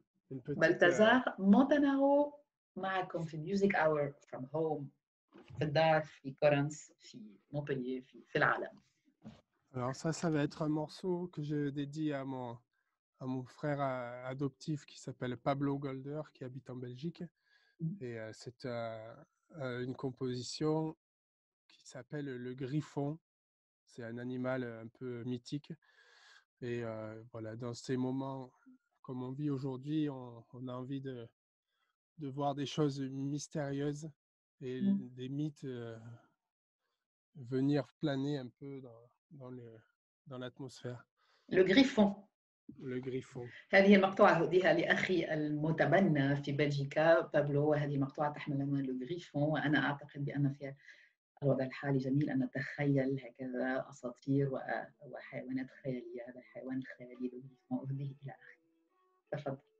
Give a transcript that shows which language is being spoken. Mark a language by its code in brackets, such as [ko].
[ar] بلتزار مونتاناو معكم في ميوزيك اور فروم هوم في الدار في كورنس في مونبلييه في العالم. [fr] Alors ça va être un morceau que je dédie à mon frère adoptif qui s'appelle Pablo Golder qui habite en Belgique et c'est une composition qui s'appelle Le Griffon. C'est un animal un peu mythique et voilà, dans ces moments comme on vit aujourd'hui, on a envie de voir des choses mystérieuses et des mythes venir planer un peu dans l'atmosphère. Le griffon. Le griffon. [ar] هذه المقطوعة هديها لأخي المتبنى في بلجيكا بابلو وهذه المقطوعة تحمل عنوان Le Griffon وأنا أعتقد بأن فيها الوضع الحالي جميل أن نتخيل هكذا أساطير وحيوانات خيالية هذا الحيوان الخيالي Le Griffon وهذه إلى آخره تفضل.